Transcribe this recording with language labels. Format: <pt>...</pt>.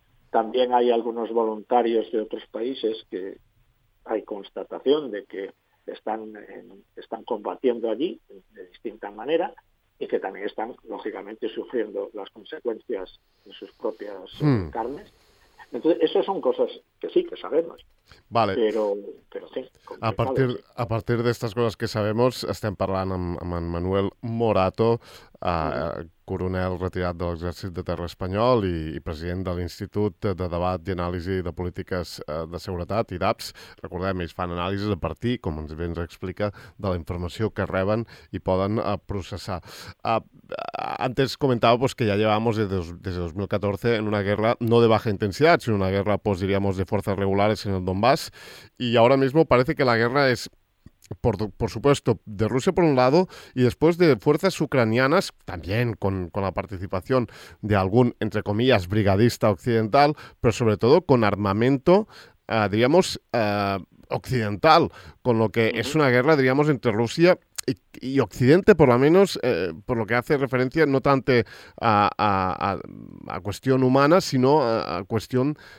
<es>También hay algunos voluntarios de otros países que hay constatación de que están combatiendo allí de distinta manera y que también están, lógicamente, sufriendo las consecuencias en sus propias carnes. Entonces, esas son cosas que sí, que sabemos. Vale. Pero sí. A partir de estas cosas que sabemos,</es> <ca>estem parlant amb en Manuel Morato, coronel retirat de l'Exèrcit de Terra Espanyol i president de l'Institut de Debat i Anàlisi de Polítiques de Seguretat, IDAPS. Recordem, ells fan anàlisis a partir, com ens bé ens explica, de la informació que reben i poden processar.</ca> <es>Antes comentava pues, que ja llevamos desde 2014 en una guerra no de baja intensidad, sino una guerra, pues, diríamos, de fuerzas regulares en el Donbass. Y ahora mismo parece que la guerra es... Por supuesto, de Rusia por un lado y después de fuerzas ucranianas, también con la participación de algún, entre comillas, brigadista occidental, pero sobre todo con armamento, diríamos, occidental, con lo que es una guerra, diríamos, entre Rusia y Occidente, por lo menos, por lo que hace referencia no tanto a cuestión humana, sino a cuestión...</es>